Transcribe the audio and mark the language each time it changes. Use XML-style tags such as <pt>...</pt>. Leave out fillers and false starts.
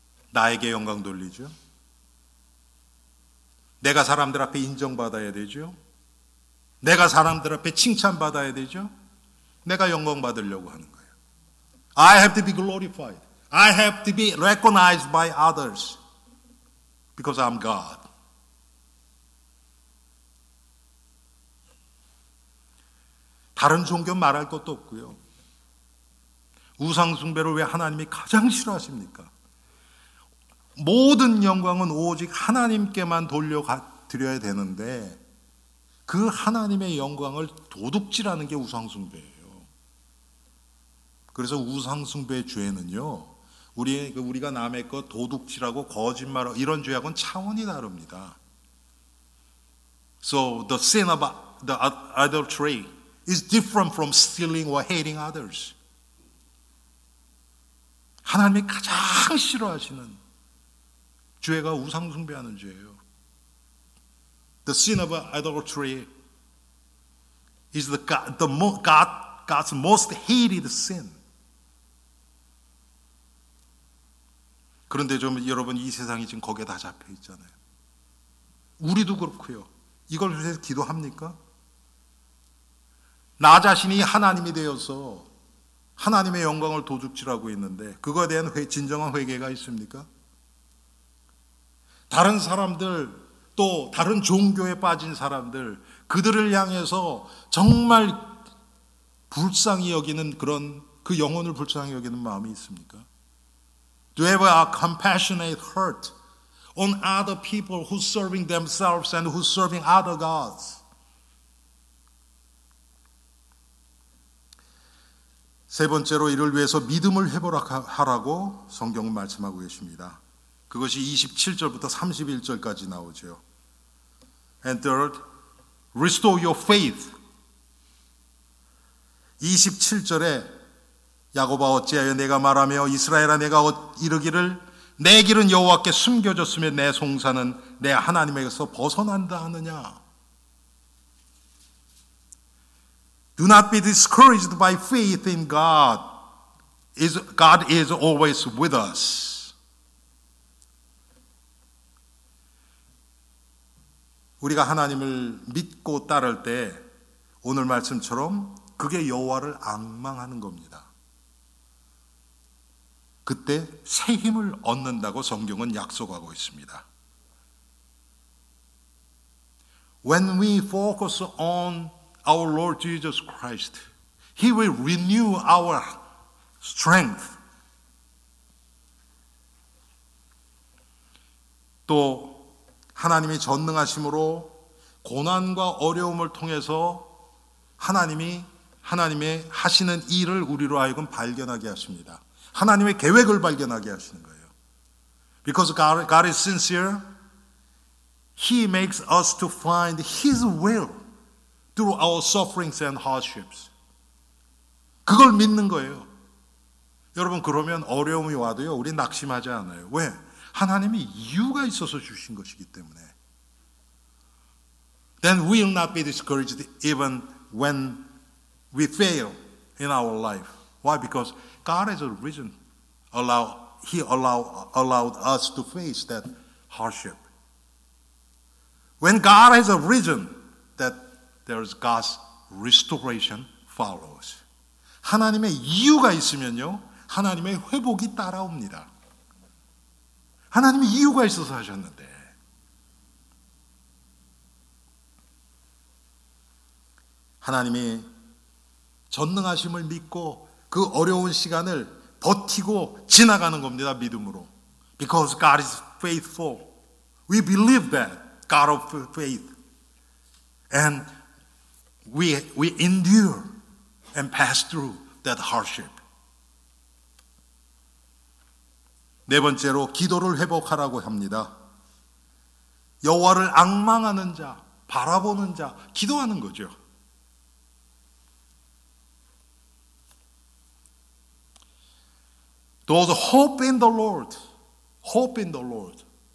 <ko>나에게 영광 돌리죠. 내가 사람들 앞에 인정받아야 되죠. 내가 사람들 앞에 칭찬받아야 되죠. 내가 영광받으려고 하는 거예요.</ko> <en>I have to be glorified. I have to be recognized by others because I'm God.</en> <ko>다른 종교 말할 것도 없고요. 우상 숭배를 왜 하나님이 가장 싫어하십니까? 모든 영광은 오직 하나님께만 돌려드려야 되는데 그 하나님의 영광을 도둑질하는 게 우상숭배예요. 그래서 우상숭배의 죄는요, 우리가 남의 것 도둑질하고 거짓말하고 이런 죄하고는 차원이 다릅니다.</ko> <en>So the sin of the adultery is different from stealing or hating others.</en> <ko>하나님이 가장 싫어하시는 죄가 우상 숭배하는 죄예요.</ko> <en>The sin of idolatry is God's most hated sin.</en> <ko>그런데 좀 여러분 이 세상이 지금 거기에 다 잡혀 있잖아요. 우리도 그렇고요. 이걸 위해서 기도합니까? 나 자신이 하나님이 되어서 하나님의 영광을 도둑질하고 있는데 그거에 대한 진정한 회개가 있습니까? 다른 사람들 또 다른 종교에 빠진 사람들 그들을 향해서 정말 불쌍히 여기는 그런 그 영혼을 불쌍히 여기는 마음이 있습니까?</ko> <en>Do you have a compassionate heart on other people who serving themselves and who serving other gods?</en> <ko>세 번째로 이를 위해서 믿음을 회복하라고 성경은 말씀하고 계십니다. 그것이 27절부터 31절까지 나오죠.</ko> <en>And third, restore your faith.</en> <ko>27절에 야곱아 어찌하여 내가 말하며 이스라엘아 내가 이르기를 내 길은 여호와께 숨겨졌으며 내 송사는 내 하나님에게서 벗어난다 하느냐.</ko> <en>Do not be discouraged by faith in God. God is always with us.</en> <ko>우리가 하나님을 믿고 따를 때 오늘 말씀처럼 그게 여호와를 앙망하는 겁니다. 그때 새 힘을 얻는다고 성경은 약속하고 있습니다.</ko> <en>When we focus on our Lord Jesus Christ, He will renew our strength.</en> <ko>또 하나님이 전능하심으로 고난과 어려움을 통해서 하나님이 하나님의 하시는 일을 우리로 하여금 발견하게 하십니다. 하나님의 계획을 발견하게 하시는 거예요.</ko> <en>Because God is sincere, He makes us to find His will through our sufferings and hardships.</en> <ko>그걸 믿는 거예요. 여러분 그러면 어려움이 와도요, 우리 낙심하지 않아요. 왜? 하나님이 이유가 있어서 주신 것이기 때문에.</ko> <en>Then we will not be discouraged even when we fail in our life. Why? Because God has a reason. He allowed us to face that hardship. When God has a reason, that there is God's restoration follows.</en> <ko>하나님의 이유가 있으면요, 하나님의 회복이 따라옵니다. 하나님이 이유가 있어서 하셨는데. 하나님이 전능하심을 믿고 그 어려운 시간을 버티고 지나가는 겁니다. 믿음으로.</ko> <en>Because God is faithful. We believe that. God of faith. And we endure and pass through that hardship.</en> <ko>네 번째로 기도를 회복하라고 합니다. 여호와를 앙망하는 자, 바라보는 자, 기도하는 거죠.</ko> <en>또 hope in the Lord. Hope in the Lord.</en>